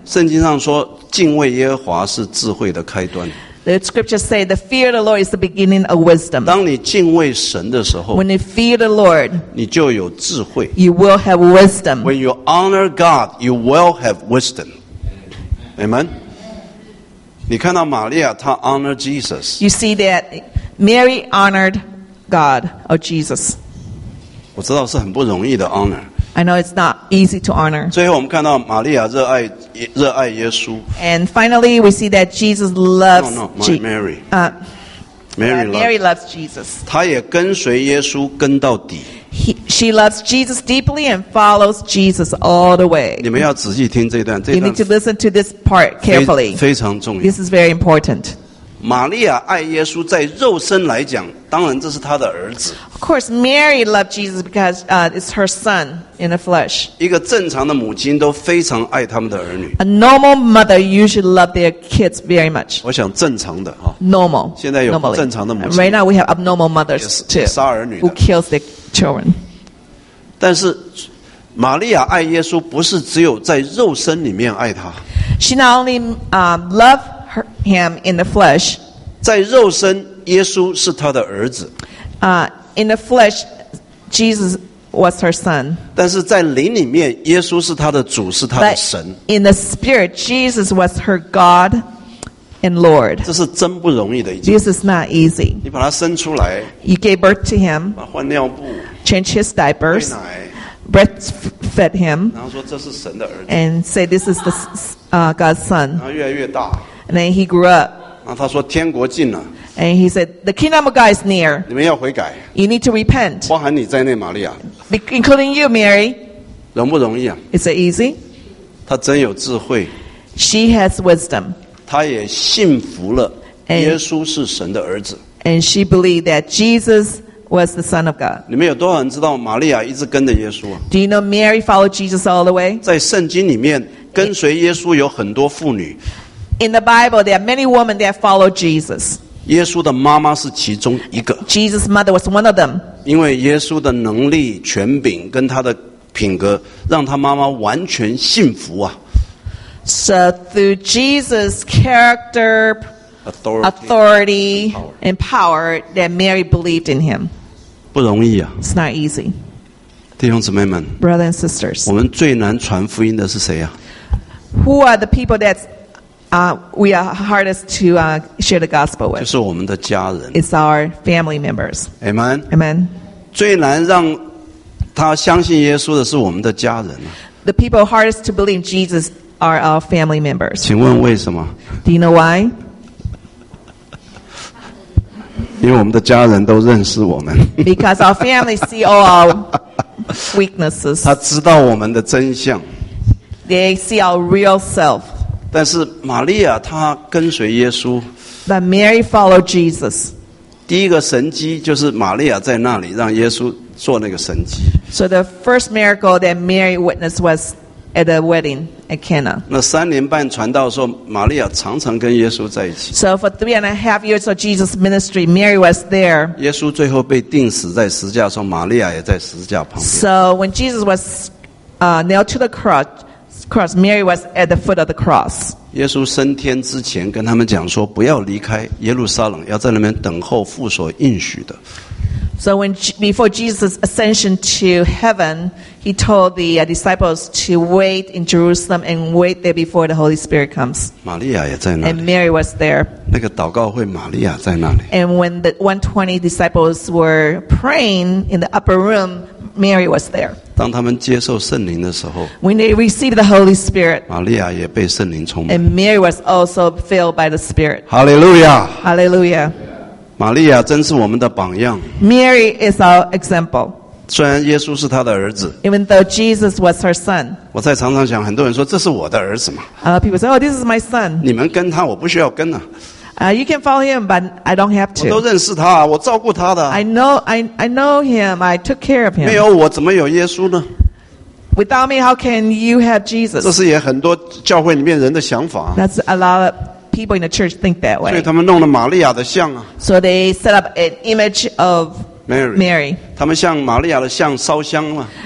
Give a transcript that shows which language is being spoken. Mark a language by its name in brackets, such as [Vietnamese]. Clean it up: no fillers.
[Chinese] 圣经上说，敬畏耶和华是智慧的开端。 [English] The scripture say the fear of the Lord is the beginning of wisdom. [Chinese] 当你敬畏神的时候， [English] when you fear the Lord, [Chinese] 你就有智慧。 [English] You will have wisdom. When you honor God, you will have wisdom. Amen. [Chinese] 你看到玛利亚她 [English] honor Jesus. You see that Mary honored God or Jesus. [Chinese] 我知道是很不容易的 honor. [English] I know it's not easy to honor. [Chinese] 最后我们看到玛利亚热爱耶稣。 [English] And finally, we see that Jesus loves Mary. Mary loves Jesus. [Chinese] 她也跟随耶稣跟到底。 [English] She loves Jesus deeply and follows Jesus all the way. [Chinese] 你们要仔细听这段。 [English] You need to listen to this part carefully. [Chinese] 非常重要。 [English] This is very important. [Chinese] 玛利亚爱耶稣，在肉身来讲，当然这是她的儿子。 [English] Of course, Mary loved Jesus because it's her son in the flesh. [Chinese] 一个正常的母亲都非常爱他们的儿女。 [English] A normal mother usually love their kids very much. [Chinese] 我想正常的 [English] 哈。Normal. [Chinese] 现在有不正常的母亲。 [English] Normally. Right now we have abnormal mothers too. [Chinese] 杀儿女的。 [English] Who kills their children? [Chinese] 但是玛利亚爱耶稣，不是只有在肉身里面爱他。 [English] She not only loved him in the flesh. [Chinese] 在肉身。耶稣是他的儿子。 [English] In the flesh, Jesus was her son. [Chinese] 但是在灵里面，耶稣是他的主，是他的神。 [English] But in the spirit, Jesus was her God and Lord. [Chinese] 这是真不容易的一件。 [English] This is not easy. [Chinese] 你把他生出来。 [English] You gave birth to him. [Chinese] 把换尿布。 [English] Change his diapers. [Chinese] 喂奶。 [English] Breastfed him. [Chinese] 然后说这是神的儿子。 [English] And say this is the God's son. [Chinese] 然后越来越大。 [English] And then he grew up. [Chinese] 然后他说天国近了。 [English] And he said, "The kingdom of God is near." [Chinese] 你们要悔改。 [English] You need to repent. [Chinese] 包含你在内，玛利亚。 [English] Including you, Mary. [Chinese] 容不容易啊？ [English] Is it easy? [Chinese] 她真有智慧。 [English] She has wisdom. [Chinese] 她也信服了耶稣是神的儿子。 [English] And she believed that Jesus was the Son of God. [Chinese] 你们有多少人知道玛利亚一直跟着耶稣啊？ [English] Do you know Mary followed Jesus all the way? [Chinese] 在圣经里面，跟随耶稣有很多妇女。 [English] In the Bible, there are many women that follow Jesus. [Chinese] 耶稣的妈妈是其中一个。 [English] Jesus' mother was one of them. [Chinese] 因为耶稣的能力、权柄跟他的品格，让他妈妈完全信服啊。 [English] So through Jesus' character, authority, and power, that Mary believed in him. [Chinese] 不容易啊。 [English] It's not easy. [Chinese] 弟兄姊妹们 [English] ，Brothers and sisters， [Chinese] 我们最难传福音的是谁啊？ [English] Who are the people that we are hardest to share the gospel with? [Chinese] 就是我们的家人。 [English] It's our family members. Amen. Amen. [Chinese] 最难让他相信耶稣的是我们的家人。 [English] The people hardest to believe Jesus are our family members. [Chinese] 请问为什么 [English] ？Do you know why? [Chinese] 因为我们的家人都认识我们。 [English] Because our family see all our weaknesses. [Chinese] 他知道我们的真相。 [English] They see our real self. [Chinese] 但是玛利亚她跟随耶稣。 [English] But Mary followed Jesus. [Chinese] 第一个神迹就是玛利亚在那里让耶稣做那个神迹。 [English] So the first miracle that Mary witnessed was at the wedding at Cana. [Chinese] 那三年半传道的时候，玛利亚常常跟耶稣在一起。 [English] So for 3.5 years of Jesus' ministry, Mary was there. [Chinese] 耶稣最后被钉死在十字架的时候，玛利亚也在十字架旁边。 [English] So when Jesus was nailed to the cross. Mary was at the foot of the cross. [Chinese] 耶稣升天之前跟他们讲说不要离开耶路撒冷，要在那边等候父所应许的。 [English] So when, before Jesus' ascension to heaven, he told the disciples to wait in Jerusalem and wait there before the Holy Spirit comes. [Chinese] 玛利亚也在那里。 [English] And Mary was there. [Chinese] 那个祷告会玛利亚在那里。 [English] And when the 120 disciples were praying in the upper room,Mary was there. [Chinese] 当他们接受圣灵的时候 [English] When they received the Holy Spirit, [Chinese] 玛利亚也被圣灵充满 [English] And Mary was also filled by the Spirit. Hallelujah! Hallelujah! [Chinese] 玛利亚真是我们的榜样 [English] Mary is our example. [Chinese] 虽然耶稣是她的儿子 [English] Even though Jesus was her son. [Chinese] 我在常常想很多人说这是我的儿子嘛 [English] People say, oh, this is my son. [Chinese] 你们跟他我不需要跟啊 [English] You can follow him, but I don't have to. [Chinese] 我都认识他，我照顾他的。 [English] I know him. I took care of him. [Chinese] 没有我，怎么有耶稣呢 [English] ？Without me, how can you have Jesus? [Chinese] 这是也很多教会里面人的想法。 [English] That's a lot of people in the church think that way. [Chinese] 所以他们弄了玛利亚的像啊。 [English] So they set up an image of Mary. [Chinese] 他们向玛利亚的像烧香嘛。